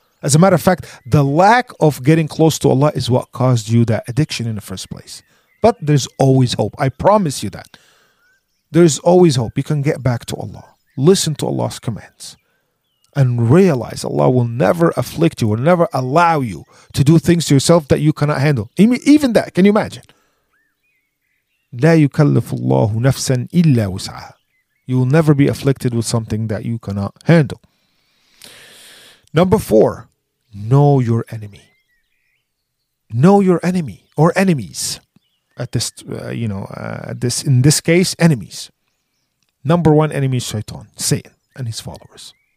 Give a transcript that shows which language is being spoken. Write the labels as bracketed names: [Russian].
[English] As a matter of fact, the lack of getting close to Allah is what caused you that addiction in the first place. But there's always hope. I promise you that. There's always hope. You can get back to Allah. Listen to Allah's commands. And realize Allah will never afflict you, will never allow you to do things to yourself that you cannot handle. Even that, can you imagine? [Arabic] لا يكلف الله نفسا إلا وسعها. [English] You will never be afflicted with something that you cannot handle. Number four, know your enemy. Know your enemy or enemies. At this, you know, this in this case, enemies. Number one enemy is Shaitan, Satan, and his followers.